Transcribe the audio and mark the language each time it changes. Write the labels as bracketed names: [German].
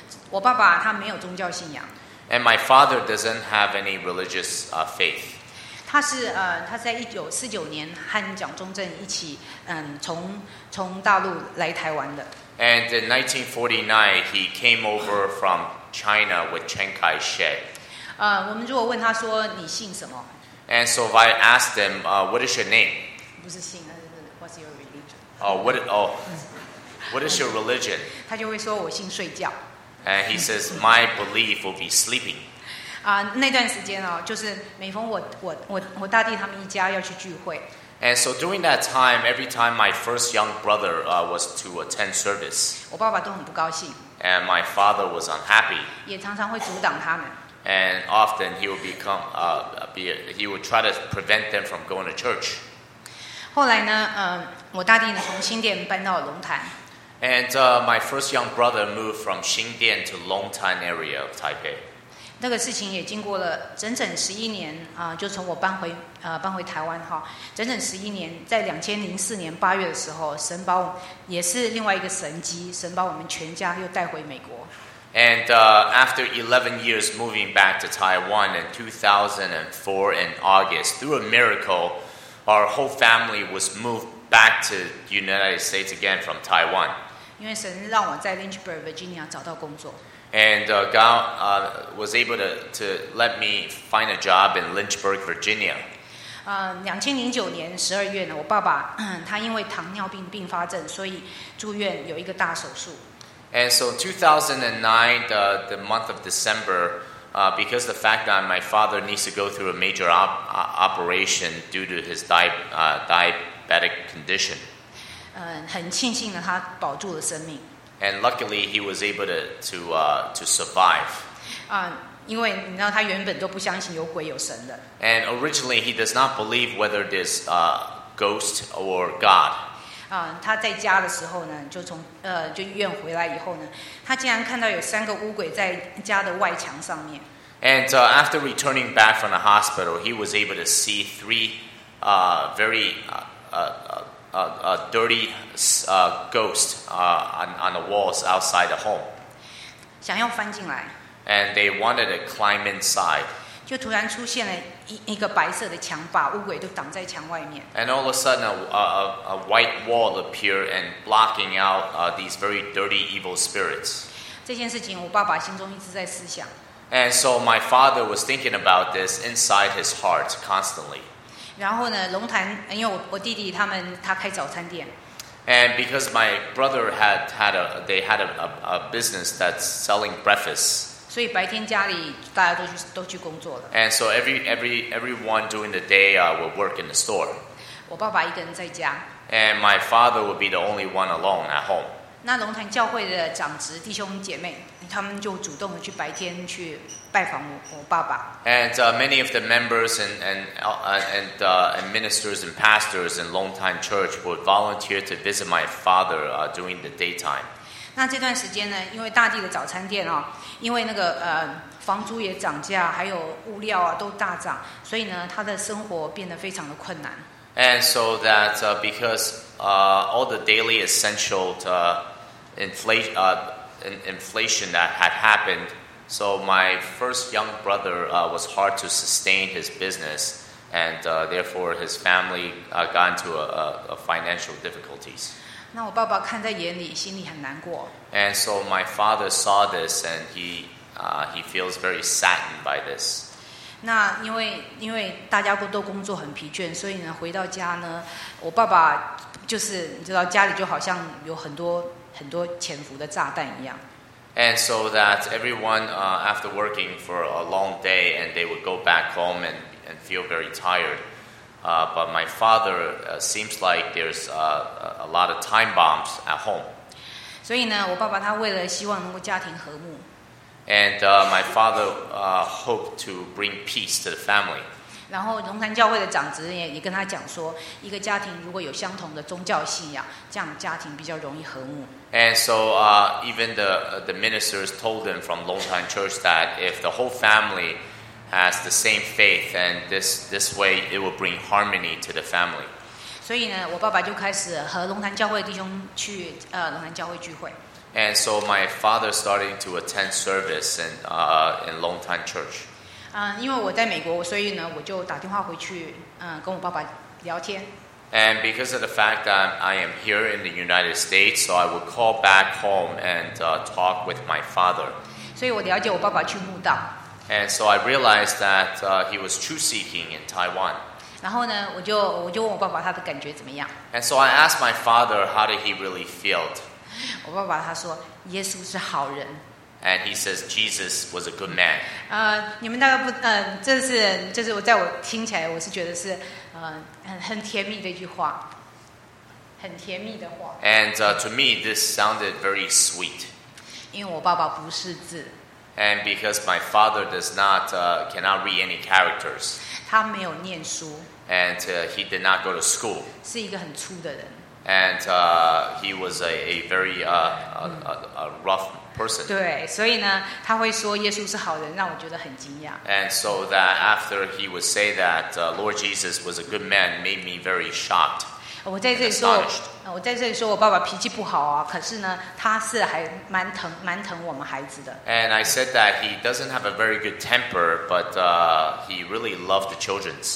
[Chinese] 我爸爸他没有宗教信仰。 [English] And my father doesn't have any religious faith. [Chinese] 他是他在1949年和蒋中正一起从大陆来台湾的。 [English] And in 1949, he came over from China with Chiang Kai-shek. [Chinese] 我们如果问他说你姓什么 [English] ？And so if I asked him, "What is your name?" [Chinese] 不是姓，而是 [English] "What's your religion?" What is your religion? [Chinese] 他就会说我姓睡觉。 [English] And he says, "My belief will be sleeping." [Chinese] 那段时间哦，就是每逢我大弟他们一家要去聚会。 [English] And so during that time, every time my first young brother was to attend service, [Chinese] 我爸爸都很不高兴。 [English] And my father was unhappy. [Chinese] 也常常会阻挡他们。 [English] And often he will become, he will try to prevent them from going to church. [Chinese] 后来呢，我大弟呢从新店搬到龙潭。 [English] And my first young brother moved from Xingdian to Longtan area of Taipei. [Chinese] 那个事情也经过了整整十一年啊，就从我搬回搬回台湾哈，整整十一年，在2004年八月的时候，神把我也是另外一个神迹，神把我们全家又带回美国。 [English] And after 11 years moving back to Taiwan in 2004 in August, through a miracle, our whole family was moved back to the United States again from Taiwan. [Chinese] 因为神让我在 Lynchburg, Virginia 找到工作。 [English] And God was able to let me find a job in Lynchburg, Virginia. [Chinese] 2009年12月呢，我爸爸他因为糖尿病并发症，所以住院有一个大手术。 [English] And so 2009, the month of December, because of the fact that my father needs to go through a major operation due to his diabetic condition. [Chinese] 很庆幸呢，他保住了生命。 [English] And luckily, he was able to survive. [Chinese] 因为你知道他原本都不相信有鬼有神的。 [English] And originally, he does not believe whether there's a ghost or God. [Chinese] 他在家的时候呢，就从就医院回来以后呢，他竟然看到有三个乌鬼在家的外墙上面。 [English] And after returning back from the hospital, he was able to see three dirty ghosts on the walls outside the home. [Chinese] 想要翻进来。 [English] And they wanted to climb inside. [Chinese] 就突然出现了一个白色的墙，把乌鬼都挡在墙外面。 [English] And all of a sudden, a white wall appeared and blocking out these very dirty evil spirits. [Chinese] 这件事情，我爸爸心中一直在思想。 [English] And so my father was thinking about this inside his heart constantly. [Chinese] 然后呢，龙潭，因为我弟弟他开早餐店。 [English] And because my brother had a business that's selling breakfast. [Chinese] 所以白天家里大家都去工作了。 [English] And so everyone during the day will work in the store. [Chinese] 我爸爸一个人在家。 [English] And my father would be the only one alone at home. [Chinese] 那龙潭教会的长职弟兄姐妹，他们就主动的去白天去拜访我爸爸。 [English] And many of the members and ministers and pastors in Longtan Church would volunteer to visit my father during the daytime. [Chinese] 那这段时间呢，因为大地的早餐店啊，因为那个房租也涨价，还有物料啊都大涨，所以呢，他的生活变得非常的困难。 [English] And so that because all the daily essential inflation that had happened, so my first young brother was hard to sustain his business, and therefore his family got into a financial difficulties. [Chinese] 那我爸爸看在眼里，心里很难过。 [English] And so my father saw this, and he feels very saddened by this. [Chinese] 那因为大家都工作很疲倦，所以呢，回到家呢，我爸爸就是你知道，家里就好像有很多很多潜伏的炸弹一样。 [English] And so that everyone after working for a long day, and they would go back home and feel very tired. But my father seems like there's a lot of time bombs at home. [Chinese] 所以呢，我爸爸他为了希望能够家庭和睦。 [English] And my father hoped to bring peace to the family. [Chinese] 然后龙潭教会的长子也跟他讲说，一个家庭如果有相同的宗教信仰，这样家庭比较容易和睦。 [English] And so even the ministers told him from Longtan Church that if the whole family... has the same faith, and this way it will bring harmony to the family. [Chinese] 所以呢，我爸爸就开始和龙潭教会弟兄去龙潭教会聚会。 [English] And so my father started to attend service in Longtan Church. [Chinese] 因为我在美国，所以呢，我就打电话回去，跟我爸爸聊天。 [English] And because of the fact that I am here in the United States, so I would call back home and talk with my father. [Chinese] 所以我了解我爸爸去慕道。 [English] And so I realized that he was truth-seeking in Taiwan. [Chinese] 然后呢，我就问我爸爸他的感觉怎么样。 [English] And so I asked my father, how did he really feel? [Chinese] 我爸爸他说，耶稣是好人。 [English] And he says Jesus was a good man. [Chinese] 你们大概不，这是我在我听起来我是觉得是，很甜蜜的一句话，很甜蜜的话。 [English] And to me, this sounded very sweet. [Chinese] 因为我爸爸不识字。 [English] And because my father does not, cannot read any characters. [Chinese] 他没有念书。 [English] And he did not go to school. [Chinese] 是一个很粗的人。 [English] And he was a very rough person. [Chinese] 对，所以呢，他会说耶稣是好人，让我觉得很惊讶。 [English] And so that after he would say that Lord Jesus was a good man, made me very shocked. [Chinese] 我在这里说，我在这里说我爸爸脾气不好啊，可是呢，他是还蛮疼我们孩子的。 [English] And I said that he doesn't have a very good temper, but he really loved the children.